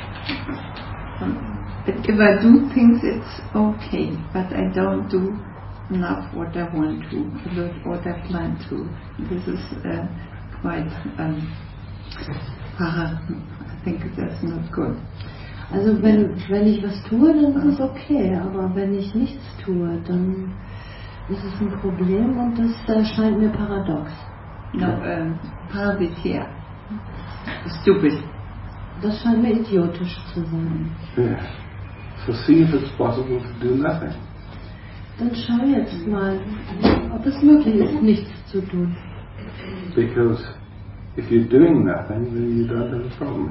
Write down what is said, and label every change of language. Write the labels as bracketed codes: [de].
[en] If I do things, it's okay, but I don't do enough what I want to, not what I plan to. This is quite I think that's not good. [de] Also wenn ich was tue, dann ist es okay, aber wenn ich nichts tue, dann ist es ein Problem und das erscheint mir paradox. [en] No, paradox, yeah. Stupid. [de] Das scheint mir idiotisch zu sein. [en] Yeah. So see if it's possible to do nothing. [de] Dann schau jetzt mal, ob es möglich ist, nichts zu tun. [en] Because if you're doing nothing, then you don't have a problem.